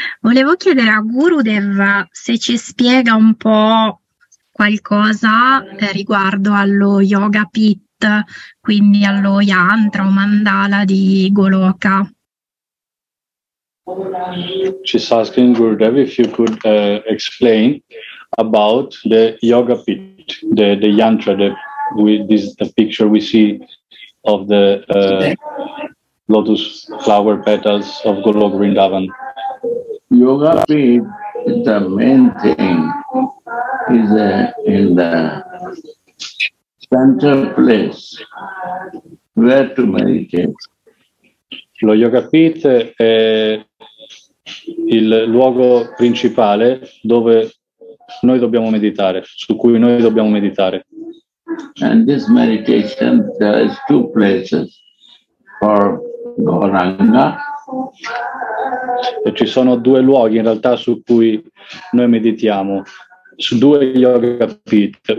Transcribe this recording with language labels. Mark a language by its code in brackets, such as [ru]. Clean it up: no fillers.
[it] Volevo chiedere a Gurudev se ci spiega un po' qualcosa riguardo allo yoga pit, quindi allo yantra o mandala di Goloka. [en] Asking Gurudev if you could explain about the yoga pit, the yantra, the picture we see of the lotus flower petals of Goloka Vrindavan. Yoga pit, the main thing is in the central place where to meditate. [it] Lo yoga pit è il luogo principale dove noi dobbiamo meditare, su cui noi dobbiamo meditare. [en] And this meditation, there is two places for Gauranga. [it] E ci sono due luoghi in realtà su cui noi meditiamo, su due yoga pit.